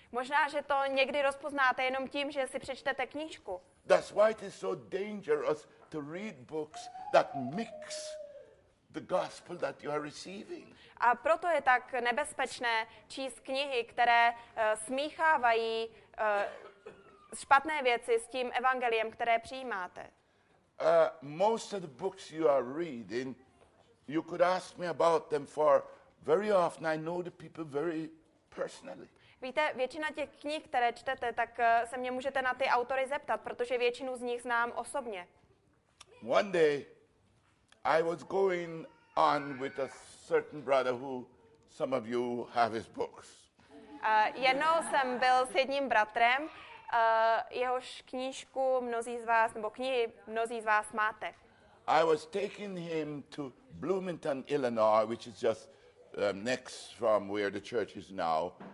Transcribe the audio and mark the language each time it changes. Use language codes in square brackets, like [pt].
[cs] Možná, že to někdy rozpoznáte jenom tím, že si přečtete knížku. [en] That's why it is so dangerous to read books that mix the gospel that you are receiving. [cs] A proto je tak nebezpečné číst knihy, které smíchávají špatné věci s tím evangeliem, které přijímáte. [en] Most of the books you are reading, you could ask me about them for very often I know the people very personally. [cs] Víte, většina těch knih, které čtete, tak se mě můžete na ty autory zeptat, protože většinu z nich znám osobně. [en] One day I was going on with a certain brother who some of you have his books. [cs] Jednou jsem byl s jedním bratrem, Jehož knížku mnozí z vás, nebo knihy mnozí z vás máte. [en] I was taking him to Bloomington, Illinois, which is just next from where the church is now.